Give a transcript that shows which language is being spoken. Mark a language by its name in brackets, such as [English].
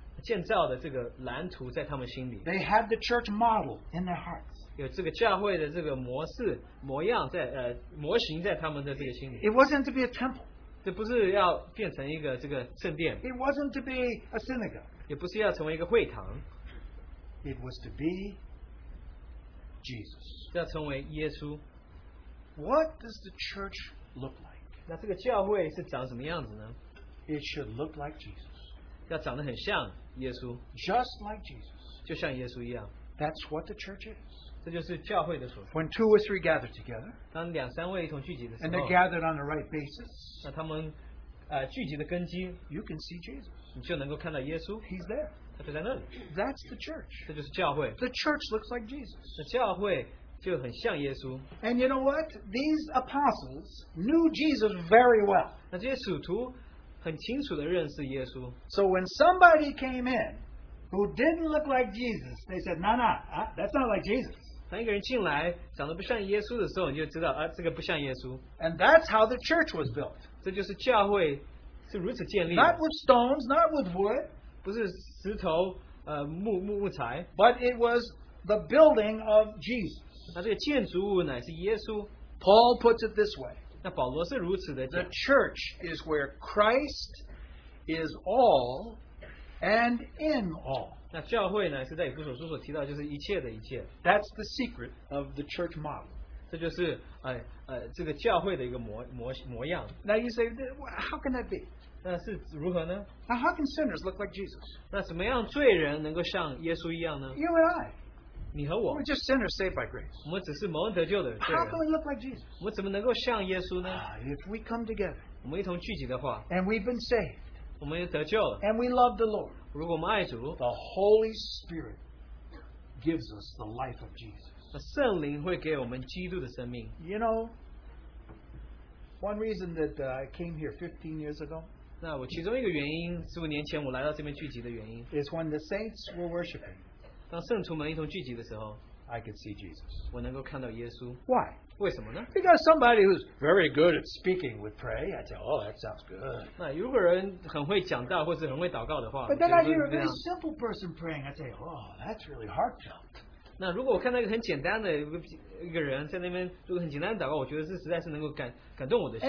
[Chinese] 他们或许不知道,但是他们是有教会当如何建造的这个蓝图在他们心里。 [English] They had the church model in their hearts. [Chinese] 有这个教会的这个模式,模样在,模型在他们的这个心里。 [English] It wasn't to be a temple. [Chinese] 这不是要变成一个这个圣殿。 [English] It wasn't to be a synagogue. [Chinese] 也不是要成为一个会堂。 [English] It was to be Jesus. [Chinese] 要成为耶稣。 [English] What does the church look like? [Chinese] 那这个教会是长什么样子呢? [English] It should look like Jesus. [Chinese] 要长得很像耶稣。 [English] Just like Jesus. [Chinese] 就像耶稣一样。 [English] That's what the church is. [Chinese] 这就是教会的所在。 [English] When two or three gather together, [Chinese] 当两三位一同聚集的时候, [English] and they're gathered on the right basis, [Chinese] 那他们, 聚集的根基, [English] you can see Jesus. [Chinese] 你就能够看到耶稣, [English] he's there. That's the church. [Chinese] 这就是教会。 [English] The church looks like Jesus. [Chinese] 那教会就很像耶稣。 [English] And you know what? These apostles knew Jesus very well. [Chinese] 那这些使徒很清楚地认识耶稣。 [English] So when somebody came in who didn't look like Jesus, they said, no, that's not like Jesus. [Chinese] 当一个人进来,长得不像耶稣的时候,你就知道,这个不像耶稣。 [English] And that's how the church was built. [Chinese] 这就是教会是如此建立的。 [English] Not with stones, not with wood. [Chinese] 不是石头,木材, [English] but it was the building of Jesus. [Chinese] 那这个建筑物乃是耶稣。 [English] Paul puts it this way. [Chinese] 那保罗是如此的讲, [English] the church is where Christ is all and in all. [Chinese] 那教会呢,是在以弗所书所提到就是一切的一切。 [English] That's the secret of the church model. [Chinese] 这就是这个教会的一个模样。 [English] Now you say, how can that be? [Chinese] 那是如何呢? [English] Now how can sinners look like Jesus? [Chinese] 那怎么样罪人能够像耶稣一样呢? [English] You and I. [Chinese] 你和我。 [English] We're just sinners saved by grace. [Chinese] 我们只是蒙恩得救的罪人。 [English] How can we look like Jesus? [Chinese] 我们怎么能够像耶稣呢? [English] If we come together, [Chinese] 我们一同聚集的话, [English] and we've been saved, [Chinese] 我们也得救了, [English] and we love the Lord, [Chinese] 如果我们爱主, [English] the Holy Spirit gives us the life of Jesus. [Chinese] 圣灵会给我们基督的生命。 [English] You know, one reason that I came here 15 years ago, [Chinese] 那我其中一个原因,15年前我来到这边聚集的原因, [English] is when the saints were worshiping, [Chinese] 当圣徒们一同聚集的时候, [English] I could see Jesus. [Chinese] 我能够看到耶稣。 [English] Why? [Chinese] 为什么呢? [English] Because somebody who's very good at speaking would pray, I'd say, oh, that sounds good. [Chinese] 那如果人很会讲道或是很会祷告的话, [English] but then I hear a very simple person praying, I'd say, oh, that's really heartfelt. [Chinese] 那如果我看到一个很简单的一个人在那边,如果很简单的祷告,我觉得这实在是能够感动我的心。